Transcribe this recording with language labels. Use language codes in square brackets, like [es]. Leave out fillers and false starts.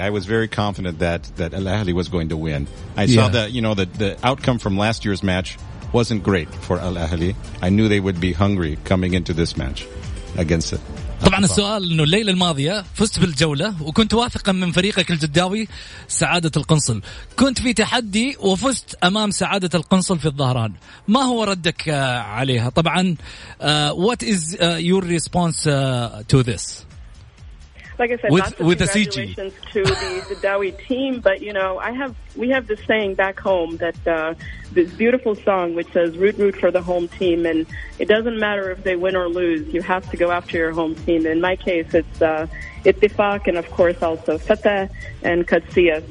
[en] I was very confident that Al Ahly was going to win. I saw that, you know, the outcome from last year's match wasn't great for Al Ahli. I knew they would be hungry coming into this match against it. [ar] طبعا السؤال انه الليله الماضيه فزت بالجوله وكنت واثقا من فريقك الجداوي سعاده القنصل، كنت في تحدي وفزت امام سعاده القنصل في الظهران، ما هو ردك عليها؟ طبعا [en] what is your response to this, like I said, with the CG to the Jeddawi team, but you know, we have this saying back home that this beautiful song which says root for the home team, and it doesn't matter if they win or lose, you have to go after your home team. In my case, it's Ittifaq, and of course also Fata and Katsia.